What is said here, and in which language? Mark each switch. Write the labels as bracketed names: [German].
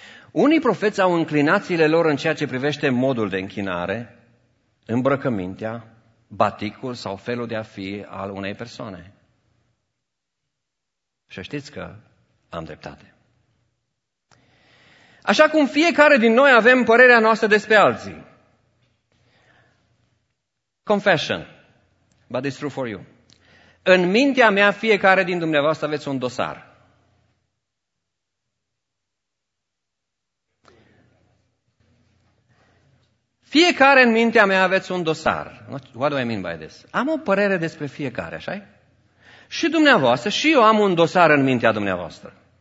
[Romanian] Unii profeți au înclinațiile lor în ceea ce privește modul de închinare, îmbrăcămintea, baticul sau felul de a fi al unei persoane. Și știți că am dreptate. Așa cum fiecare din noi avem părerea noastră despre alții. [English] Confession, but it's true for you. [Romanian] În mintea mea, fiecare din dumneavoastră aveți un dosar. Fiecare în mintea mea aveți un dosar. [English] What do I mean by this? [Romanian] Am o părere despre fiecare, așa-i? Și dumneavoastră, și eu am un dosar în mintea dumneavoastră.